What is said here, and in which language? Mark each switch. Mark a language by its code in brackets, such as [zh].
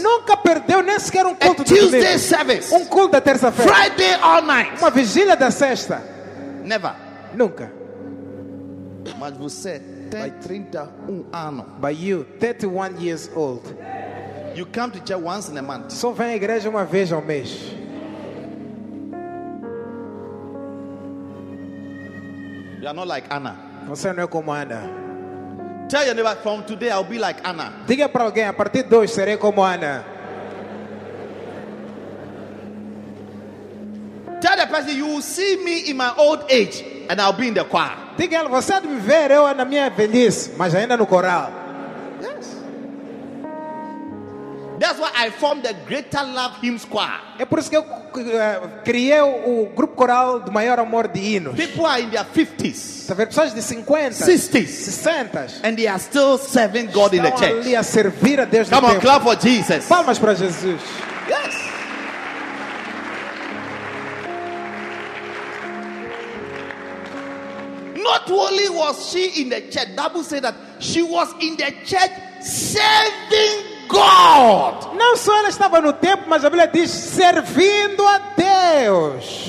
[pt] Nunca perdeu nem sequer um culto de [en] domingo. A Tuesday service. [pt] Um culto da terça-feira. [en] Friday all night. [pt] Uma vigília da sexta. [en] Never. [pt] Nunca. Mas você tem 31 anos. [en] By you, 31 years old. You come to church once in a month. [pt] Só vem à igreja uma vez ao mês. [en] You are not like Anna. [pt] Você não é como Anna. [en] Tell your neighbor, from today I'll be like Anna. [pt] Diga para alguém, a partir de hoje serei como Anna. [en] Tell the a person, you will see me in my old age and I'll be in the choir. [pt] Diga ela, você me ver eu na minha velhice, mas ainda no coral. [en] Yes. That's why I formed the Greater Love Hymns Choir. [pt] É por isso que eu criei o grupo coral do maior amor de hinos. [en] People are in their 50s. [pt] Tá vendo pessoas de 50, 60, 60, [en] and they are still serving God in the church. [pt] Estão ali a servir a Deus. [en] Come on, clap for Jesus. [pt] Palmas para Jesus. [en] Yes. Not only was she in the church, Double said that she was in the church serving God. [pt] Não só ela estava no templo, mas a Bíblia diz servindo a Deus.